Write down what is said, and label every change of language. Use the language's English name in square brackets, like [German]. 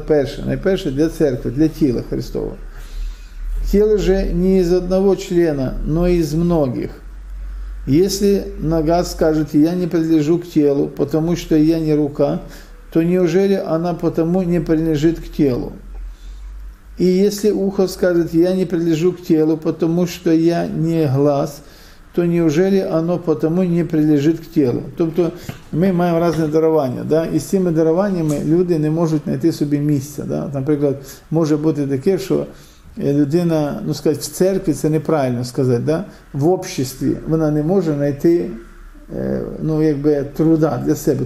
[Ukrainian] Перше, найперше для церкви, для тіла Христова. Тіло же не з одного члена, но і з многих. Якщо нога скаже, я не прилежу к тілу, тому що я не рука, то неужели вона потому не прилежить к тілу? [Russian] И если ухо скажет, я не прилежу к телу, потому что я не глаз, то неужели оно потому не прилежит к телу? [Ukrainian] Тобто ми маємо різні дарування, да? І з цими дарованнями люди не можуть знайти собі місця. Да? Наприклад, може бути таке, що людина, ну сказати, в церкві, це неправильно сказати, да? В обществі вона не може знайти ну, якби, труда для себе.